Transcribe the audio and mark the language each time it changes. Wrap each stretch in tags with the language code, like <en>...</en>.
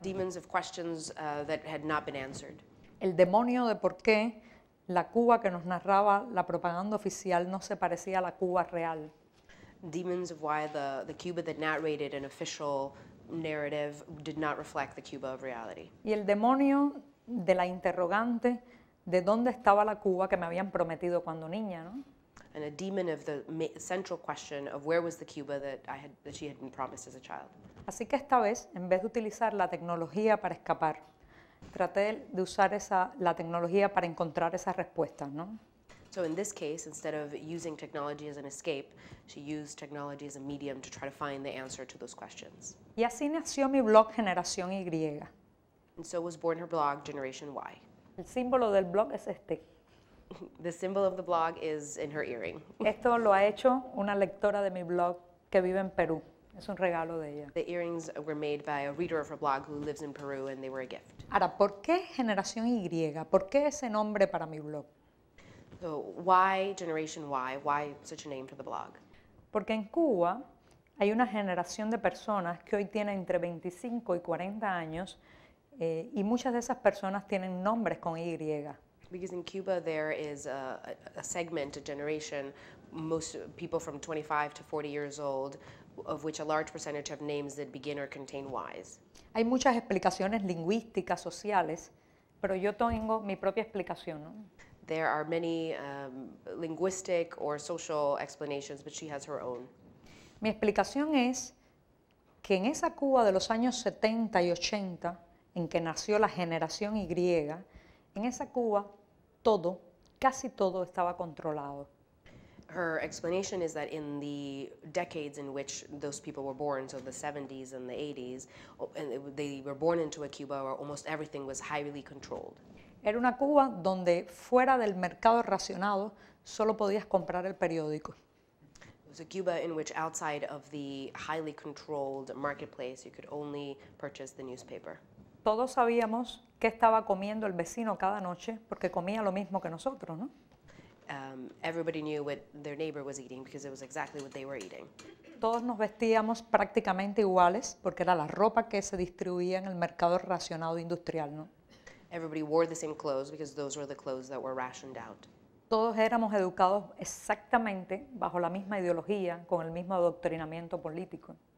<en>Demons of questions that had not been answered.</en> <es>El demonio de por qué la Cuba que nos narraba la propaganda oficial no se parecía a la Cuba real.</es> <en>Demons of why the Cuba that narrated an official narrative did not reflect the Cuba of reality.</en> <es>Y el demonio de la interrogante de dónde estaba la Cuba que me habían prometido cuando niña, ¿no?</es> <en>And a demon of the central question of where was the Cuba that she had been promised as a child.</en> <es>Así que esta vez, en vez de utilizar la tecnología para escapar, traté de usar la tecnología para encontrar esas respuestas, ¿no?</es> <en>So in this case, instead of using technology as an escape, she used technology as a medium to try to find the answer to those questions.</en> <es>Y así nació mi blog Generación Y.</es> <en>And so was born her blog Generation Y.</en> <es>El símbolo del blog es este.</es> <en>The symbol of the blog is in her earring.</en> <es>Esto lo ha hecho una lectora de mi blog que vive en Perú. Es un regalo de ella.</es> <en>The earrings were made by a reader of her blog who lives in Peru and they were a gift.</en> <es>Ahora, ¿por qué Generación Y? ¿Por qué ese nombre para mi blog?</es> <en>So, why Generation Y? Why such a name for the blog?</en> <es>Porque en Cuba hay una generación de personas que hoy tiene entre 25 y 40 años y muchas de esas personas tienen nombres con Y.</es> <en>Because in Cuba there is a segment, a generation, most people from 25 to 40 years old, of which a large percentage have names that begin or contain Ys.</en> <es>Hay muchas explicaciones lingüísticas, sociales, pero yo tengo mi propia explicación, ¿no?</es> <en>There are many linguistic or social explanations, but she has her own.</en> <es>Mi explicación es que en esa Cuba de los años 70 y 80, en que nació la generación Y, en esa Cuba todo, casi todo estaba controlado.</es> <en>Her explanation is that in the decades in which those people were born, so the 70s and the 80s, they were born into a Cuba where almost everything was highly controlled.</en> <es>Era una Cuba donde fuera del mercado racionado solo podías comprar el periódico.</es> <en>It was a Cuba in which outside of the highly controlled marketplace you could only purchase the newspaper.</en> <es>Todos sabíamos qué estaba comiendo el vecino cada noche porque comía lo mismo que nosotros, ¿no?</es> <en>Everybody knew what their neighbor was eating because it was exactly what they were eating.</en> <es>Todos nos vestíamos prácticamente iguales porque era la ropa que se distribuía en el mercado racionado industrial, ¿no?</es> <en>Everybody wore the same clothes because those were the clothes that were rationed out.</en> <es>Todos éramos educados exactamente bajo la misma ideología, con el mismo adoctrinamiento político.</es>